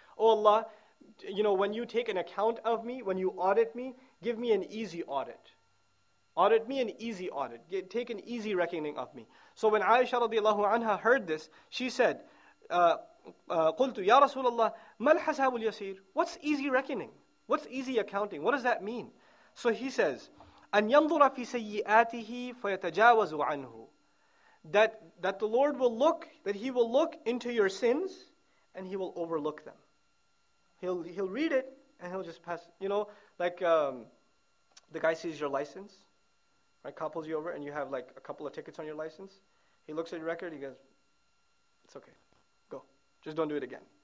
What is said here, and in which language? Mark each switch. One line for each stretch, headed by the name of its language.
English: Oh Allah, you know, when you take an account of me, when you audit me, give me an easy audit. Audit me an easy audit. Take an easy reckoning of me. So when Aisha radiallahu anha heard this, she said,
Arabic: قلت يا رسول الله, ما الحساب اليسير?
English: What's easy reckoning? What's easy accounting? What does that mean? So he says,
Arabic: أن ينظر في سيئاته فيتجاوز عنه.
English: That the Lord will look, that He will look into your sins, and He will overlook them. He'll read it, and He'll just pass. You know, like the guy sees your license, right? Couples you over, and you have like a couple of tickets on your license. He looks at your record, he goes, it's okay, go. Just don't do it again.